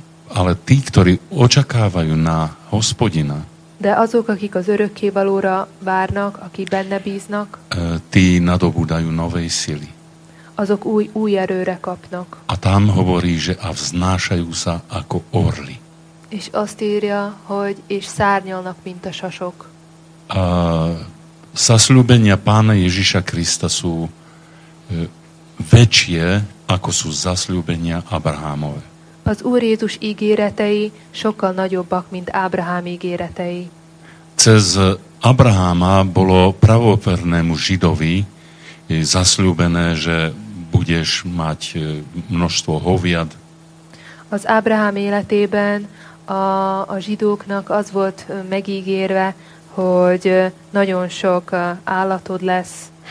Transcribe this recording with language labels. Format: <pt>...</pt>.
<sk>Ale tí, ktorí očakávajú na Hospodina,</sk> <hu>de azok, akik az örökkévalóra várnak, akik benne bíznak,</hu> <sk>tí nadobúdajú novej sily.</sk> <hu>Azok új erőre kapnak.</hu> <sk>A tam hovorí, že a vznášajú sa ako orli.</sk> <hu>És azt írja, hogy és szárnyalnak, mint a sasok.</hu> <sk>A zasľúbenia Pána Ježiša Krista sú väčšie, ako sú zasľúbenia Abrahámové.</sk> <hu>Az Úr Jézus ígéretei sokkal nagyobbak, mint Ábrahám ígéretei.</hu> <sk>Cez Abraháma bolo pravopernému Židovi zasľúbené, že budeš mať množstvo hoviad.</sk> <hu>Az Ábrahám életében a zsidóknak az volt megígérve, hogy nagyon sok állatod lesz.</hu>